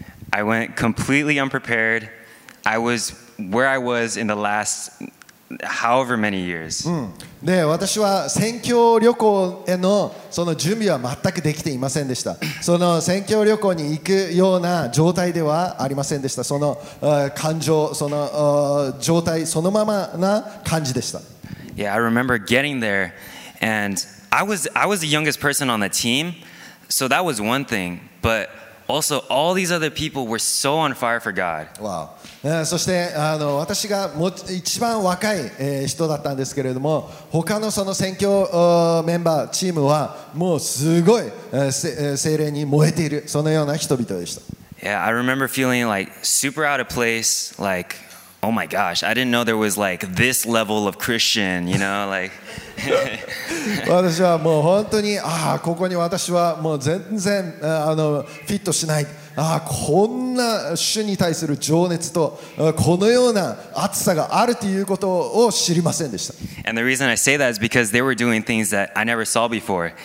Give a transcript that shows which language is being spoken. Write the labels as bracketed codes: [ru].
[en] I went completely unprepared. I was where I was in the last however many years. [ja] で、私は宣教旅行へのその準備は全くできていませんでした。その宣教旅行に行くような状態ではありませんでした。その感情、その状態そのままな感じでした。 [en] Yeah, I remember getting there, and I was the youngest person on the team, so that was one thing, but also, all these other people were so on fire for God. Wow. [ja] そして私が一番若い人だったんですけれども、他のその選挙メンバーチームはもうすごい聖霊に燃えているそのような人々でした。 [en] Yeah, I remember feeling like super out of place. Like, oh my gosh, I didn't know there was like this level of Christian. You know, like. [ja] 私はもう本当にああここに私はもう全然フィットしない、ああこんな主に対する情熱とこのような熱さがあるということを知りませんでした。 [en] And the reason I say that is because they were doing things that I never saw before.